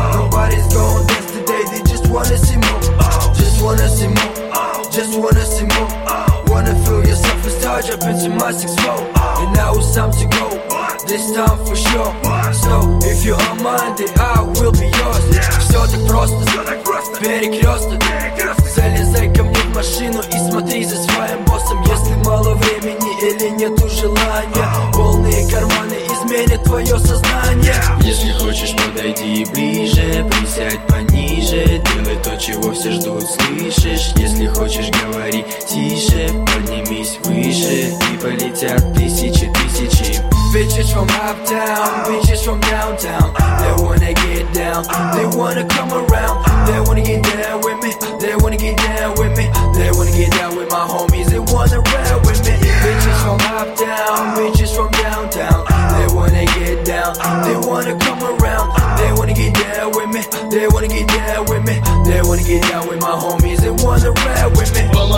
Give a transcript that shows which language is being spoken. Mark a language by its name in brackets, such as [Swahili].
[English] Nobody's gonna dance today, they just wanna see more. Just wanna see more. Just wanna see more. Wanna feel yourself a star, jump into my 6-4. And now it's time to go, this time for sure. So, if you're on Monday, I will be yours. [Russian] Все так просто, перекрёсток. Залезай ко мне в машину и смотри за своим боссом. Если мало времени или нету желания, полные карманы изменят твое сознание. Если хочешь, подойди ближе, присядь пониже, делай то, чего все ждут, слышишь? Если хочешь, говори тише, поднимись выше, и полетят тысячи, тысячи. [English] Bitches from uptown, bitches from downtown, they wanna get down, they wanna come around, they wanna get down with me, they wanna get down with me, they wanna get down with my homies, they wanna ride with me. Bitches from uptown, bitches from downtown, they wanna get down, they wanna come around, they wanna get down with me, they wanna get down with me, they wanna get down with my homies, they wanna ride with me.